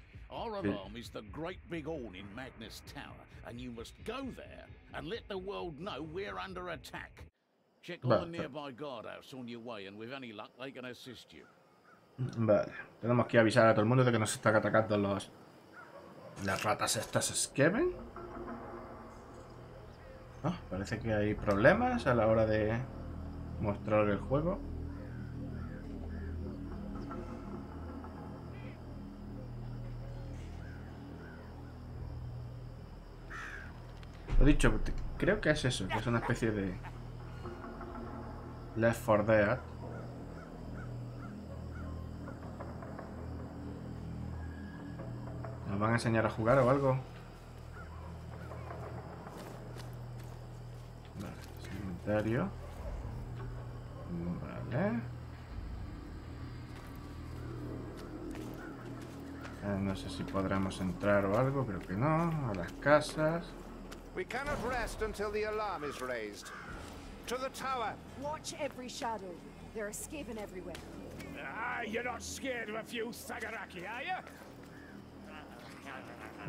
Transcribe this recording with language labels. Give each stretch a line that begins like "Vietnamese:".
English: Our alarm is the great big horn in Magnus Tower, and you must go there and let the world know we're under attack. Check all the nearby guardhouse on your way, and with any luck, they can assist you.
Spanish: Vale, tenemos que avisar a todo el mundo de que nos están atacando los las ratas estas Skaven. Oh, parece que hay problemas a la hora de mostrar el juego. Lo dicho, creo que es eso, que es una especie de Left 4 Dead. ¿Nos van a enseñar a jugar o algo? Vale, cementerio. Vale. No sé si podremos entrar o algo, creo que no. A las casas.
English: We cannot rest until the alarm is raised. To the tower. Watch every shadow. There are Skaven everywhere. Ah, you're not scared of a few Thagaraki, are you?